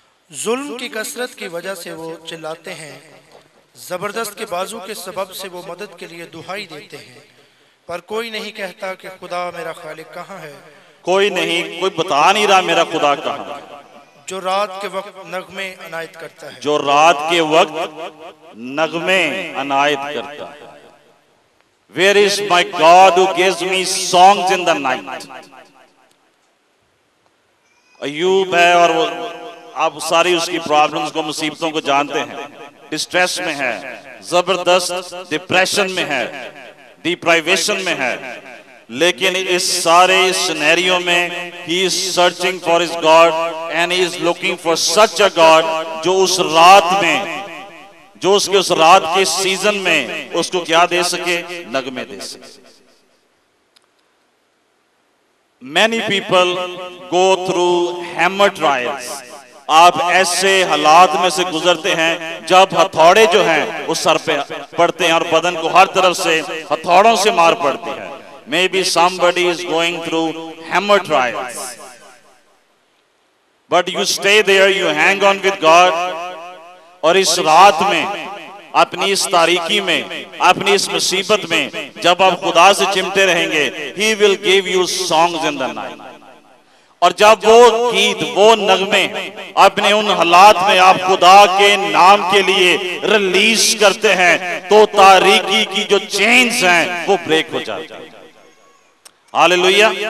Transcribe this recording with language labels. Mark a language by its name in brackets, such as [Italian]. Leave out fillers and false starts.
[Urdu] ظلم کی کثرت کی وجہ سے وہ چلاتے ہیں, زبردست کے بازو کے سبب سے وہ مدد کے لیے دہائی دیتے ہیں, پر کوئی نہیں کہتا کہ خدا میرا خالق کہاں ہے. کوئی نہیں, کوئی بتا نہیں رہا میرا خدا کہاں ہے. جو رات کے وقت نغمے عنایت کرتا ہے, جو رات کے وقت نغمے عنایت کرتا ہے. [English] Where is my God who gives me songs in the night? [Urdu] Ayub ہے, اور آپ ساری اس کی پرابلمز کو, مصیبتوں کو جانتے ہیں. ڈسٹریس میں ہے, زبردست ڈپریشن میں ہے, ڈیپرائیویشن میں ہے, لیکن اس سارے سینیریو میں [English] he is searching for his god and he is looking for such a god [Urdu] جو اس رات میں, جو اس کے اس رات کے سیزن میں اس کو کیا دے سکے؟ نغمے دے سکے. [English] many people go through hammer trials [Urdu] آپ ایسے حالات میں سے گزرتے ہیں جب ہتھوڑے جو ہیں وہ سر پہ پڑتے ہیں اور بدن کو ہر طرف سے ہتھوڑوں سے مار پڑتی ہے. [English] Maybe somebody is going through hammer trials. But you stay there, you hang on with God. [Urdu] اور اس رات میں اپنی اس تاریکی میں اپنی اس مصیبت میں جب آپ خدا سے چمٹے رہیں گے [English] He will give you songs in the night. [Urdu] اور جب وہ گیت وہ نغمے اپنے ان حالات میں آپ خدا کے نام کے لیے ریلیز کرتے ہیں تو تاریکی کی جو چینز ہیں وہ بریک ہو جاتا ہے. ہاللویہ.